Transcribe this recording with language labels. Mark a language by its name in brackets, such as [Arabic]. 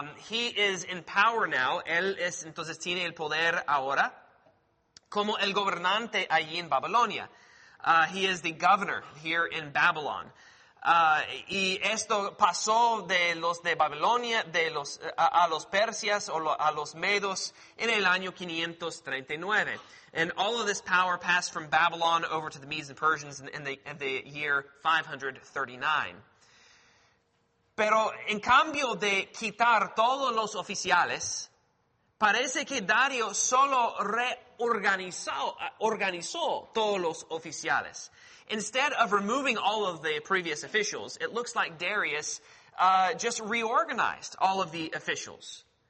[English] He is in power now. [Spanish] Él es, entonces, tiene el poder ahora como el gobernante allí en Babilonia. [English] He is the governor here in Babylon. [Spanish] Y esto pasó de los de Babilonia, de los a los persias o a los medos en el año 539. [English] And all of this power passed from Babylon over to the Medes and Persians in the year 539. [Spanish] Pero en cambio de quitar todos los oficiales, parece que Darío solo reorganizó todos los oficiales. [English] Instead of removing all of the previous officials, it looks like Darius just reorganized all of the officials.